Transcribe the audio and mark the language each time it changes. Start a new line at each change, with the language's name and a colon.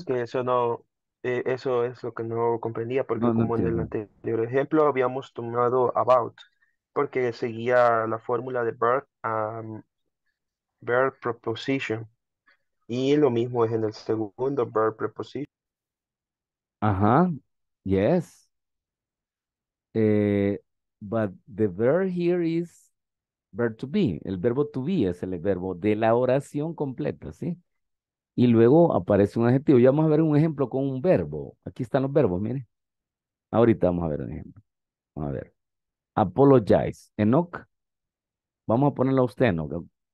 Spanish: Es que eso no... eso es lo que no comprendía, porque no, no como entiendo. En el anterior ejemplo habíamos tomado about, porque seguía la fórmula de verb, verb preposition. Y lo mismo es en el segundo, verb preposition.
English: Ajá, yes. But the verb here is verb to be.
Spanish: El verbo to be es el verbo de la oración completa, ¿sí? Y luego aparece un adjetivo. Ya vamos a ver un ejemplo con un verbo. Aquí están los verbos, mire. Ahorita vamos a ver un ejemplo. Vamos a ver. Apologize. Enoch. Vamos a ponerlo a usted, Enoch.